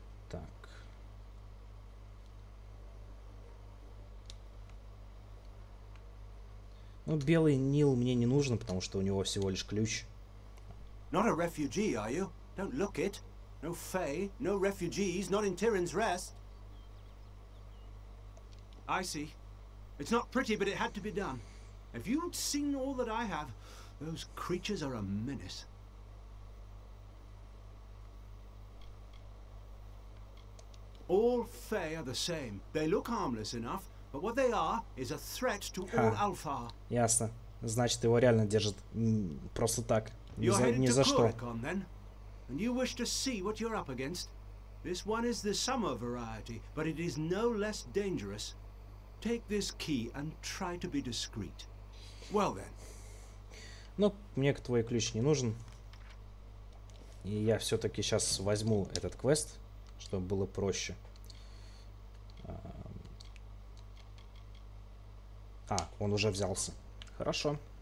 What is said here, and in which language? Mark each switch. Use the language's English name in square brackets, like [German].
[Russian] Так. Ну, белый Нил мне не нужен, потому что у него всего лишь ключ. [English] Not a refugee, are you? Don't look it. No fae, no refugees, not in Tirin's Rest. I see. It's not pretty, but it had to be done. If you'd seen all that I have, those creatures are a menace. All Fae are the same. They look harmless enough, but what they are is a threat to all Alpha. [Russian] Ясно. Значит, его реально держат просто так. Не за что. [English] And you wish to see what you're up against. This one is the summer variety, but it is no less dangerous. Take this key and try to be discreet. Well then. [Russian] Ну, мне твой ключ не нужен. И я все-таки сейчас возьму этот квест, чтобы было проще. А, он уже взялся. Хорошо.